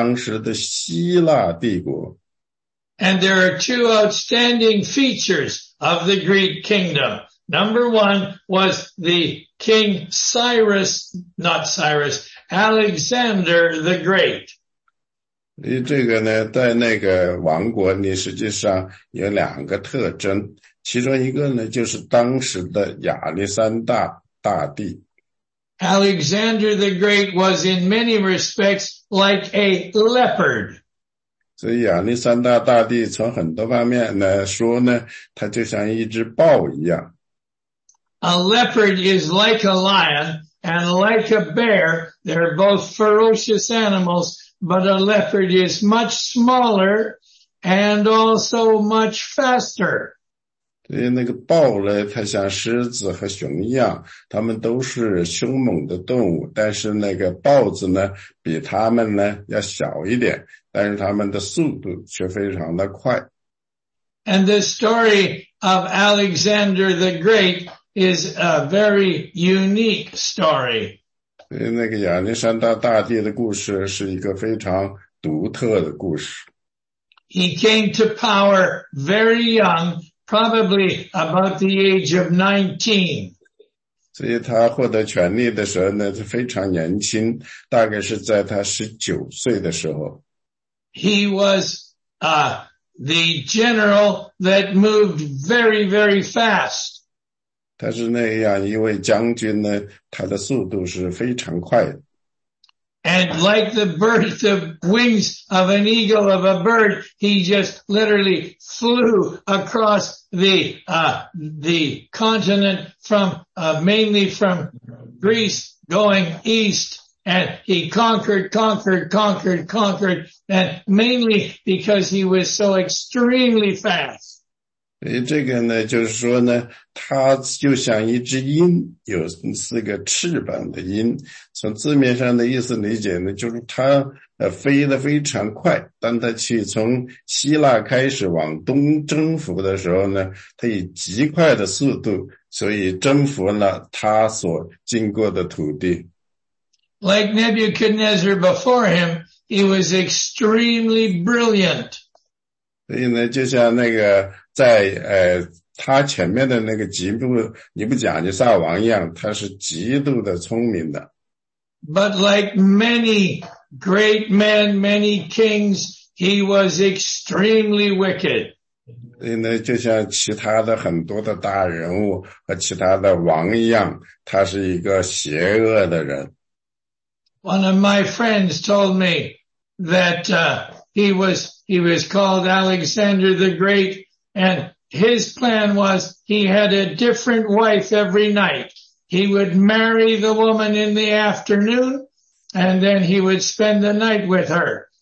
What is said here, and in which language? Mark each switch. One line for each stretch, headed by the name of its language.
Chinese: 这个呢，就是我们来到了这个第三个王国的那个故事。这个第三个呢，其实就是那个在那个雕像里面那个铜，它就是当时的希腊帝国。
English: And there are two outstanding features of the Greek kingdom. Number one was the King Cyrus, not Cyrus, Alexander the Great.
Chinese: 这个呢，在那个王国，你实际上有两个特征，其中一个呢，就是当时的亚历山大大帝。
English: Alexander the Great was in many respects like a leopard.
Chinese: 所以亚历山大大帝从很多方面来说呢，他就像一只豹一样。
English: A leopard is like a lion and like a bear. They're both ferocious animals, but a leopard is much smaller and also much faster.
Chinese: 所以那个豹呢，它像狮子和熊一样，它们都是凶猛的动物，但是那个豹子呢，比它们呢要小一点，但是它们的速度却非常的快。
English: And the story of Alexander the Great is a very unique story.
Chinese: 所以那个亚历山大大帝的故事是一个非常独特的故事。
English: He came to power very young,Probably about the age of 19.
Chinese: 所以他获得权力的时候呢，是非常年轻，大概是在他19岁的时候。
English: He was, the general that moved very, very fast.
Chinese: 他是那样一位将军呢，他的速度是非常快的。
English: And like the birth of wings of an eagle of a bird, he just literally flew across the continent from, mainly from Greece going east. And he conquered, and mainly because he was so extremely fast.
Chinese: 这个呢就是说呢它就像一只鹰有四个翅膀的鹰从字面上的意思理解呢就是它飞得非常快当它去从希腊开始往东征服的时候呢它以极快的速度所以征服了它所经过的土地。
English: Like Nebuchadnezzar before him, he was extremely brilliant.
Chinese: 所以呢就像那个在他前面的那个吉布尼布甲尼撒王一样他是极度的聪明的。
English: But like many great men, many kings, he was extremely wicked.
Chinese: 就像其他的很多的大人物和其他的王一样他是一个邪恶的人。
English: One of my friends told me that, he was called Alexander the Great,And his plan was he had a different wife every night. He would marry the woman in the afternoon and then he would spend the night with her.